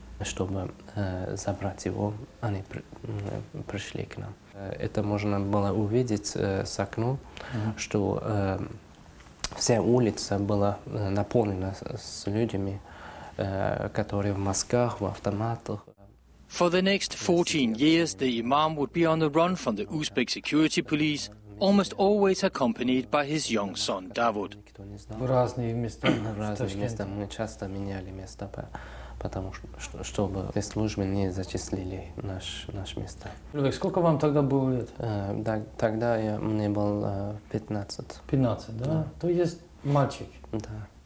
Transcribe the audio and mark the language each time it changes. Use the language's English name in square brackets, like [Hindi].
[Russian] Чтобы забрать его, они пришли к нам. Это можно было увидеть с окна, что вся улица была наполнена с людьми, которые в масках, в автоматах. [English] For the next 14 years, the imam would be on the run from the Uzbek security police, almost always accompanied by his young son, Dawood. [Russian] В разные места. Мы часто меняли места, потому что чтобы службы не зачислили наш место. Людвиг, сколько вам тогда было лет? Мне было 15. 15, да? То есть мальчик? Да.